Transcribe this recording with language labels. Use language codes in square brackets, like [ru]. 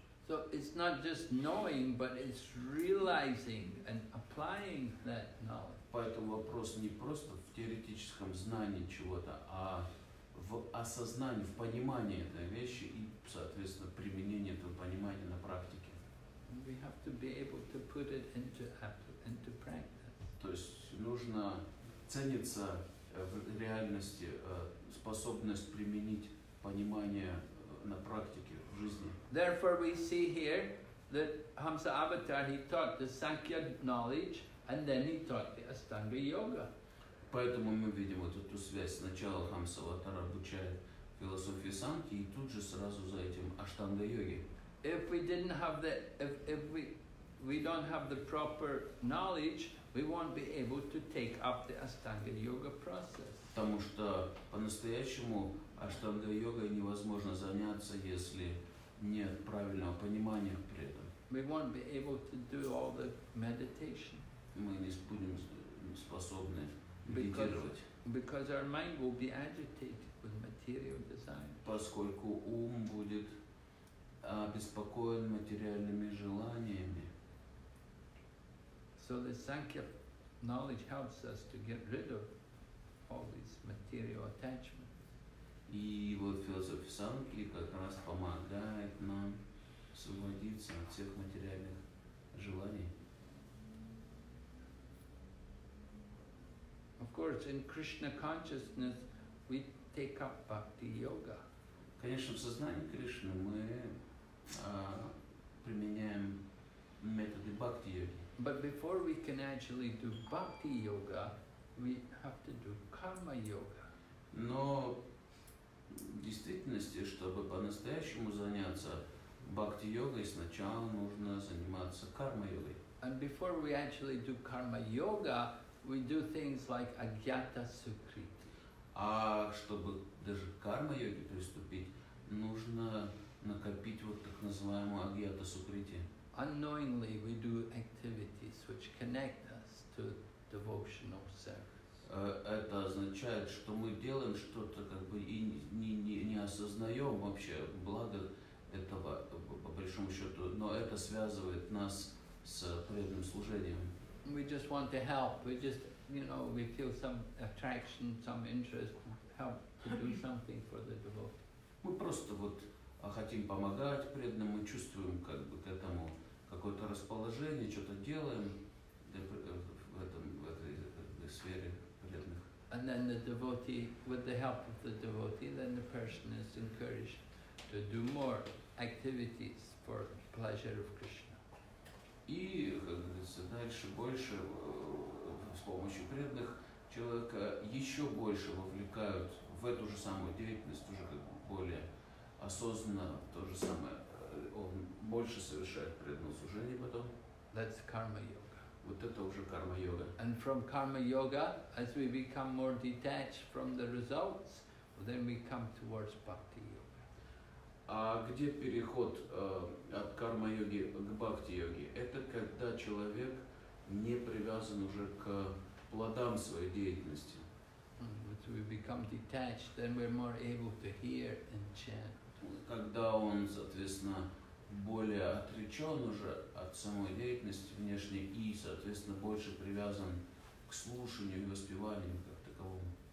[en] So it's not just knowing, but it's realizing and applying that knowledge. [ru] Поэтому вопрос не просто в теоретическом знании чего-то, а в осознании, в понимании этой вещи и, соответственно, применении этого понимания на практике. [en] We have to be able to put it into into practice. [ru] То есть нужно цениться в реальности способность применить понимание на практике в жизни. [en] Therefore we see here that Hamsa Avatar he taught the Sankhya knowledge and then he taught the Astanga Yoga. [ru] Поэтому мы видим вот эту связь. Сначала Хамса Аватар обучает философии Санки и тут же сразу за этим Аштанга Йоги. [en] If we didn't have that, if we we don't have the proper knowledge, we won't be able to take up the Ashtanga Yoga process. [ru] Потому что по-настоящему Ashtanga Yoga невозможно заняться, если нет правильного понимания при этом. [en] We won't be able to do all the meditation. [ru] Мы не будем способны медитировать. [en] Because our mind will be agitated with material desire. [ru] Поскольку ум будет обеспокоен материальными желаниями. [en] So the Sankhya knowledge helps us to get rid of all these material attachments. [ru] И вот философия Санки как раз помогает нам освободиться от всех материальных желаний. [en] Of course, in Krishna consciousness, we take up bhakti yoga. [ru] Конечно, в сознании Кришны мы применяем методы бхакти йоги. [en] But before we can actually do bhakti yoga, we have to do karma yoga. [ru] Но в действительности, чтобы по-настоящему заняться бхакти йогой, сначала нужно заниматься карма йогой. [en] And before we actually do karma yoga, we do things like agyata sukriti. [ru] А чтобы даже к карма йоге приступить, нужно накопить вот так называемую агьята сукрити. [en] Unknowingly we do activities which connect us to devotional service. [ru] Это означает, что мы делаем что-то как бы и не осознаем вообще благо этого по большому счету, но это связывает нас с преданным служением. [en] We just want to help. We just, you know, we feel some attraction, some interest, help to do something for the devotee. [ru] Мы просто вот хотим помогать преданным, мы чувствуем как бы к этому какое-то расположение, что-то делаем в этой сфере преданных. [en] And then the devotee, with the help of the devotee, then the person is encouraged to do more activities for pleasure of Krishna. [ru] И, как говорится, дальше больше с помощью преданных человека еще больше вовлекают в эту же самую деятельность, уже как бы более осознанно то же самое. Он больше совершает преданное служение потом. [en] That's karma yoga. [ru] Вот это уже карма йога. [en] And from karma yoga, as we become more detached from the results, then we come towards bhakti yoga. [ru] А где переход от карма йоги к бхакти йоге? Это когда человек не привязан уже к плодам своей деятельности. [en] As we become detached, then we're more able to hear and chant. [ru] Когда он, соответственно, более отречен уже от самой деятельности внешней и, соответственно, больше привязан к слушанию и воспеванию как таковому.